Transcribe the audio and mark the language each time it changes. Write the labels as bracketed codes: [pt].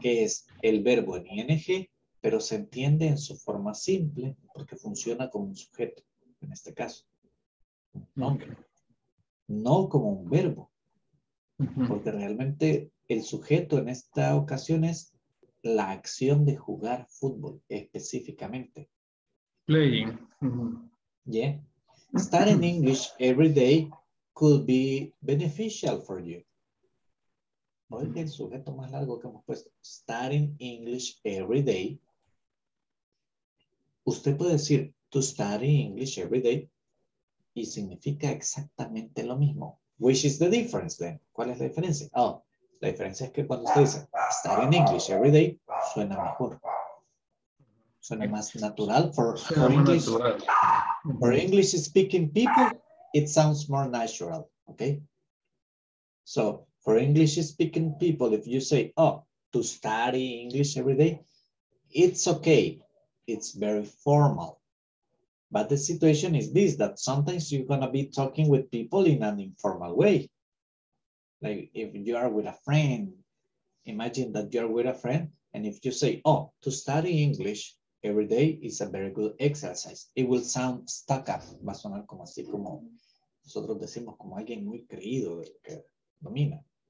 [es] Que es el verbo en ing, pero se entiende en su forma simple porque funciona como un sujeto, en este caso. No, no como un verbo. Porque realmente el sujeto en esta ocasión es la acción de jugar fútbol específicamente. [en] Playing. Yeah. Studying English every day could be beneficial for you. [es] Oiga el sujeto más largo que hemos puesto. [en] Studying English every day. [es] Usted puede decir [en] to study English every day [es] y significa exactamente lo mismo. [en] Which is the difference then? [es] ¿Cuál es la diferencia? Oh, la diferencia es que cuando usted dice [en] study in English every day, [es] suena mejor. Suena más natural [en] for English. Natural. For English speaking people, it sounds more natural, okay? So, for English speaking people, if you say, oh, to study English every day, it's okay. It's very formal. But the situation is this, that sometimes you're gonna be talking with people in an informal way. Like if you are with a friend, imagine that you're with a friend, and if you say, oh, to study English every day is a very good exercise. It will sound stuck up. [es] Va a sonar como así, como nosotros decimos, como alguien muy creído que domina.